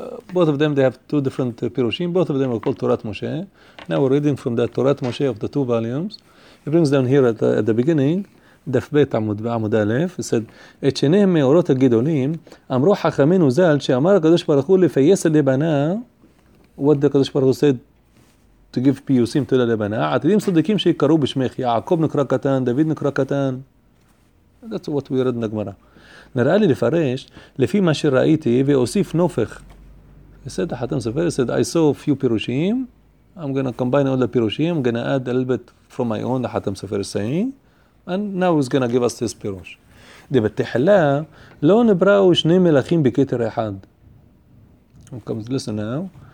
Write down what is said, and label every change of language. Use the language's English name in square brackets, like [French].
[English] Both of them, they have two different pirushim. Both of them are called Torah Moshe. Now we're reading from the Torah Moshe of the 2 volumes. He brings down here at the beginning. [Hebrew] דף בית עמוד בעמוד א', said, את שניהם מאורות הגדולים, אמרו חכמינו ז"ל, שאמר הקדוש ברוך הוא לפייס הלבנה, what the קדוש ברוך הוא said, to give פיוסים to the לבנה, עתידים צדיקים שיקראו בשמך, יעקב נקרא קטן, דוד נקרא קטן, [English] that's what we read in the Gemara. [Hebrew] נראה לי לפרש, לפי מה שראיתי, ואוסיף נופך, [English] said, החתם ספר, said, I saw a few פירושים, I'm going to combine all the פירושים, I'm going to add a little bit from my own, החתם ספר saying, and now he's going to give us this pirush. [Hebrew] De betehla lo nibra'u shnei melachim b'keter echad. [English] Comes, listen now.